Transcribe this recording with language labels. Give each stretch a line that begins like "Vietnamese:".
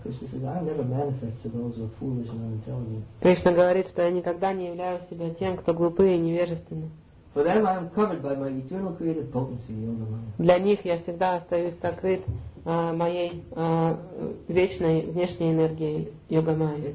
English: Кришна says, I never manifest to those who are foolish and unintelligent.
Russian: Кришна говорит, что я никогда не являюсь себя тем, кто глупый и невежественный.
English: For them I am covered by my eternal creative potency, йога майя.
Russian: Для них я всегда остаюсь сокрыт моей вечной внешней энергией, йога майя.